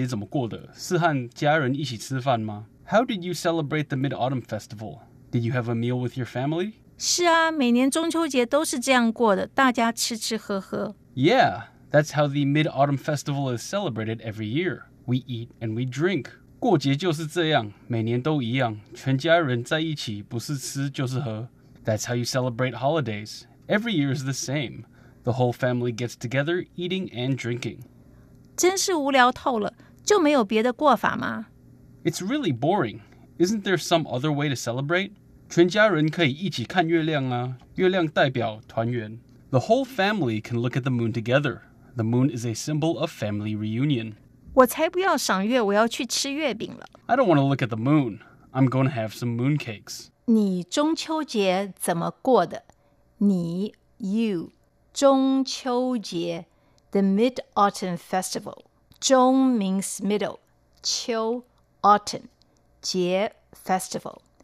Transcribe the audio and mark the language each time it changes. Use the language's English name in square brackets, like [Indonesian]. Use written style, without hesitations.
[English] How did you celebrate the Mid-Autumn Festival? Did you have a meal with your family? [Chinese] 是啊，每年中秋节都是这样过的，大家吃吃喝喝。 [English] Yeah, that's how the Mid-Autumn Festival is celebrated every year. We eat and we drink. [Chinese] 过节就是这样，每年都一样，全家人在一起，不是吃就是喝。 [English] That's how you celebrate holidays. Every year is the same. The whole family gets together, eating and drinking. [Chinese] 真是无聊透了，就没有别的过法吗？ [English] It's really boring. Isn't there some other way to celebrate? [Chinese] 全家人可以一起看月亮啊，月亮代表团圆。 [English] The whole family can look at the moon together. The moon is a symbol of family reunion. [Chinese] 我才不要赏月，我要去吃月饼了。 [English] I don't want to look at the moon. I'm going to have some mooncakes. [Chinese] 你中秋节怎么过的？你 you 中秋节 the Mid-Autumn Festival. [English] 中 means middle, 秋 autumn, 节 festival.